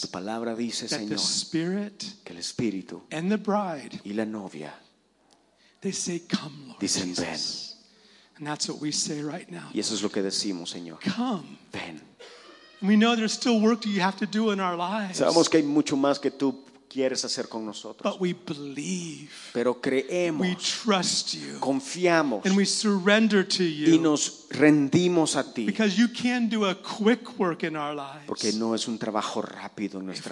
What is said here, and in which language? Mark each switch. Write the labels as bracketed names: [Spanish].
[Spanish] tu palabra dice, [English] that [Spanish] Señor, [English] the Spirit [Spanish] que el Espíritu [English] and the bride [Spanish] y la novia, [English] they say, come, Lord [Spanish] dicen, [English] Jesus. [Spanish] Ven. [English] And that's what we say right now. [Spanish] Y eso es lo que decimos, Señor. [English] Come. [Spanish] Ven. [English] And we know there's still work you have to do in our lives. [Spanish] Sabemos que hay mucho más que tú quieres hacer con nosotros. [English] But we believe. [Spanish] Pero creemos. [English] We trust you. [Spanish] Confiamos. [English] And we surrender to you. [Spanish] Y nos rendimos a ti. [English] Because you can do a quick work in our lives. [Spanish] Porque no es un trabajo rápido en nuestras